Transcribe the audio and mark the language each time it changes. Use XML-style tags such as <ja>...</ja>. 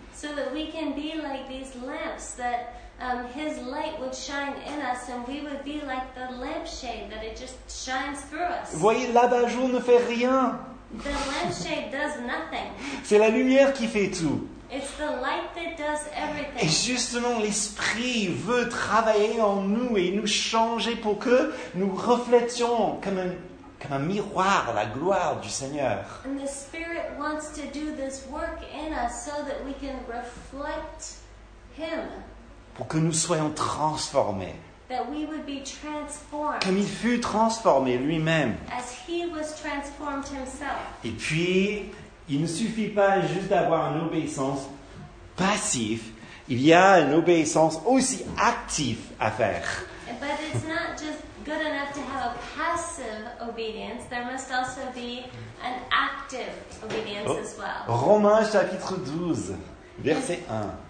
<en>So that we can be like these lamps that his light would shine in us and we would be like the lampshade that it just shines through us.</en> <fr>Vous voyez, l'abat-jour ne fait rien.</fr> <en>The lampshade does nothing.</en> <fr>C'est la lumière qui fait tout.</fr> <en>It's the light that does everything.</en> <fr>Et justement, l'Esprit veut travailler en nous et nous changer pour que nous reflétions comme un miroir la gloire du Seigneur.</fr> <en>And the Spirit wants to do this work in us so that we can reflect Him.</en> <fr>Pour que nous soyons transformés.</fr> <en>That we would be transformed.</en> <fr>Comme il fut transformé lui-même.</fr> <en>As He was transformed Himself.</en> <fr>Et puis, il ne suffit pas juste d'avoir une obéissance passive. Il y a une obéissance aussi active à faire.</fr> <en>But it's not just good enough to have a passive obedience. There must also be an active obedience as well.</en> <fr>Romains chapitre 12, verset 1.</fr>